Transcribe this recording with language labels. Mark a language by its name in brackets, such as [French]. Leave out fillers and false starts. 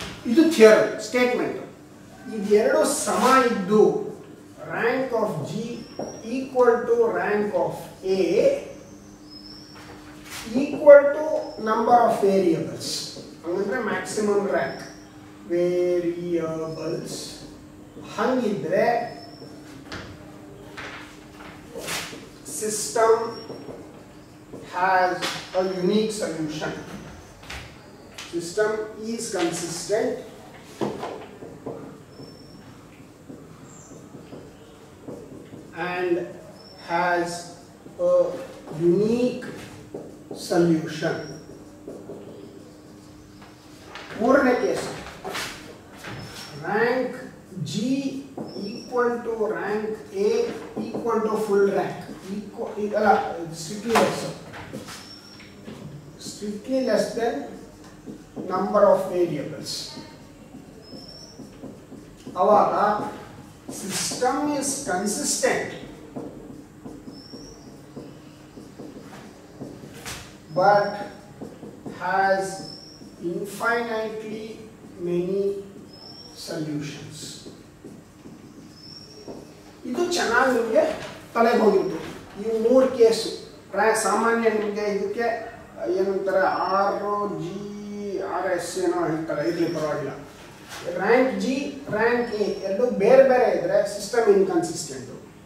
[English] ಇದು theory statement. [Kannada] ಇದೆರಡು ಸಮ ಇದ್ದು [English] Rank of G equal to rank of A equal to number of variables. [Kannada] ಹಂಗಂದ್ರೆ ಮ್ಯಾಕ್ಸಿಮಮ್ ರ್ಯಾಂಕ್ ವೇರಿಯಬಲ್ಸ್ ಹಂಗಿದ್ರೆ system [English] has a unique solution. System is consistent and has a unique solution. ಮೂರನೇ case, rank G equal to rank A equal to full rank equal ಸಿಟ್ಯುಸ್ strictly less than number of variables. ಅವಾಗ system is consistent but has infinitely many solutions. [Kannada] ಇದು ಚೆನ್ನಾಗಿ ನಿಮಗೆ ತಲೆಗೆ ಹೋಗಿತ್ತು. ಈ ಮೂರು case ಸಾಮಾನ್ಯ ನಿಮಗೆ ಇದಕ್ಕೆ ಏನಂತಾರೆ ಆರ್ ಜಿ ಆರ್ ಎಸ್ ಏನೋ ಹೇಳ್ತಾರೆ, ಇರಲಿ ಪರವಾಗಿಲ್ಲ. ರ್ಯಾಂಕ್ ಜಿ ರ್ಯಾಂಕ್ ಎ ಎರಡು ಬೇರೆ ಬೇರೆ ಇದ್ರೆ ಸಿಸ್ಟಮ್ ಇನ್ಕನ್ಸಿಸ್ಟೆಂಟು.